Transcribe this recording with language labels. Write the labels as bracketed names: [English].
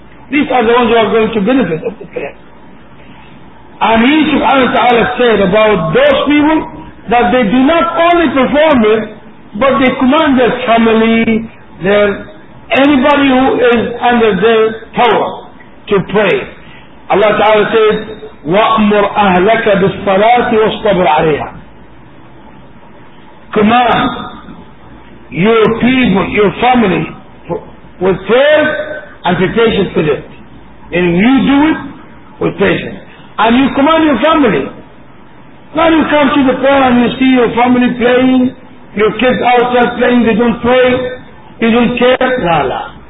[English] These are the ones who are going to benefit of the prayer. And he subhanahu wa ta'ala said about those people that they do not only perform it, but they command their family, their anybody who is under their power to pray. Allah Ta'ala said, [Arabic] وَأْمُرْ أَهْلَكَ بِالصَّلَاةِ وَاصْطَبِرْ عَلَيْهَا. [English] Command your people, your family, with prayer and be patient with it. And you do it with patience. And you command your family. Now you come to the prayer and you see your family praying, your kids outside playing, they don't pray, you don't care, la la.